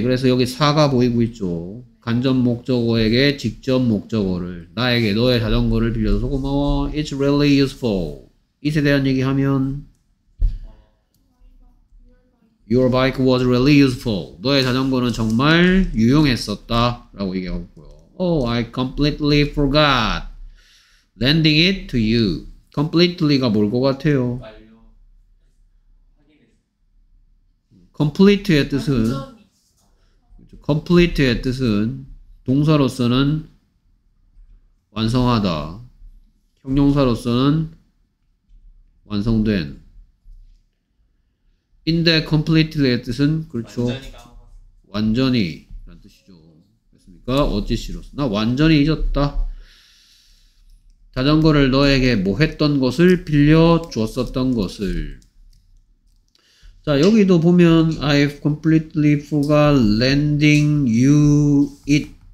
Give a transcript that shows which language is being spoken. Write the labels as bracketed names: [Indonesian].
[Korean] 그래서 여기 사가 보이고 있죠. 간접 목적어에게 직접 목적어를 나에게 너의 자전거를 빌려줘서 고마워. [English] it's really useful. [Korean] it에 대한 얘기하면 [English] Your bike was really useful. [Korean] 너의 자전거는 정말 유용했었다. 라고 얘기하고 있고요. [English] Oh, I completely forgot lending it to you. [Korean] Completely가 뭘 것 같아요? Complete의 뜻은 Complete의 뜻은 동사로서는 완성하다. 형용사로서는 완성된. 인데 completely의 뜻은 그렇죠. 완전히 라는 뜻이죠. 됐습니까? 어찌시로서 나 완전히 잊었다. 자전거를 너에게 뭐 했던 것을 빌려 주었었던 것을. 자 여기도 보면 [English] I've completely forgot lending you it.